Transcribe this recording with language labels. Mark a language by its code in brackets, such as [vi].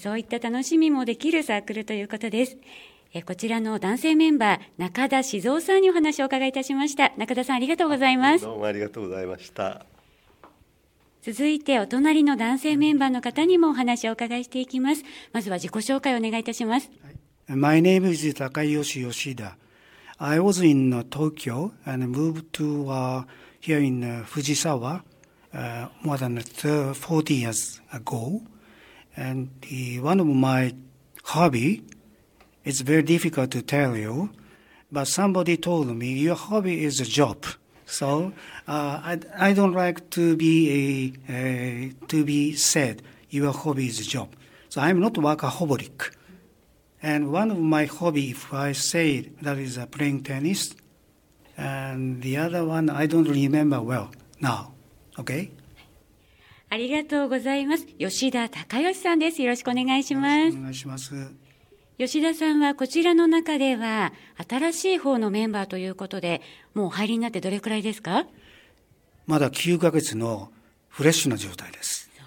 [ja] そういった楽しみもできるサークルということです。こちらの男性メンバー中田志蔵さんにお話を伺いいたしました。中田さんありがとうございます。どうもありがとうございました。続いてお隣の男性メンバーの方にもお話をお伺いしていきます。まずは自己紹介をお願いいたします。 [en] My name is Takayoshi Yoshida. I was in Tokyo and moved to here in Fujisawa more than 40 years ago. And one of my hobby, it's very difficult to tell you, but somebody told me your hobby is a job. So I don't like to be said your hobby is a job. So I'm not workaholic. And one of my hobbies, if I say it, that is playing tennis. And the other one, I don't remember well now. Okay? [ja] ありがとうございます。吉田孝義さんです。よろしくお願いします。よろしくお願いします。吉田さんはこちらの中では新しい方のメンバーということで、もう入りになってどれくらいですか？まだ9ヶ月のフレッシュな状態です。